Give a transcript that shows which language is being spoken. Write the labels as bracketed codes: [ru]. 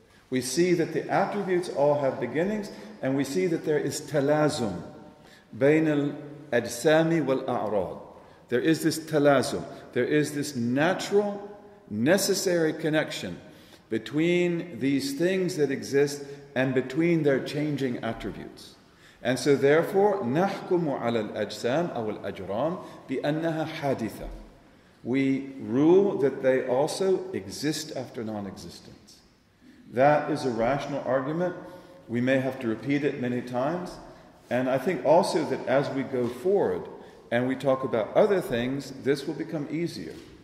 [en] We see that the attributes all have beginnings, and we see that there is [ar] talazum bain al-ajsami wal-a'rad. [en] There is this talazum. There is this natural, necessary connection between these things that exist and between their changing attributes. And so therefore, [ar] نَحْكُمُ عَلَى الْأَجْسَامِ أَوَ الْأَجْرَامِ بِأَنَّهَا حَادِثَةً. [en] We rule that they also exist after non-existence. That is a rational argument. We may have to repeat it many times. And I think also that as we go forward, and we talk about other things, this will become easier.